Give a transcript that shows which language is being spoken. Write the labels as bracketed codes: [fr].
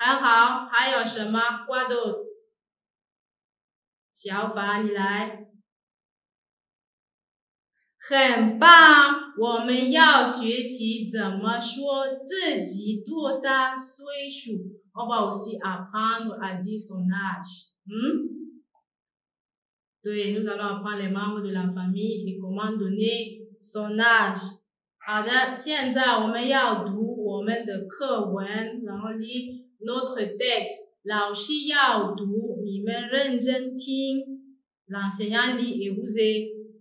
[zh] 非常好,今天我们要学习家人。很好,还有什么? [fr] Quoi d'autre? 小法, [zh] 你来? 很棒,我们要学习怎么说自己多大岁数. [fr] On va aussi apprendre à dire son âge. 对, nous allons apprendre les membres de la famille et comment donner son âge. [zh] 好的,现在我们要读我们的课文,然后 [fr] lire notre texte. [zh] 老师要读,你们认真听, [fr] l'enseignant lit et vous est...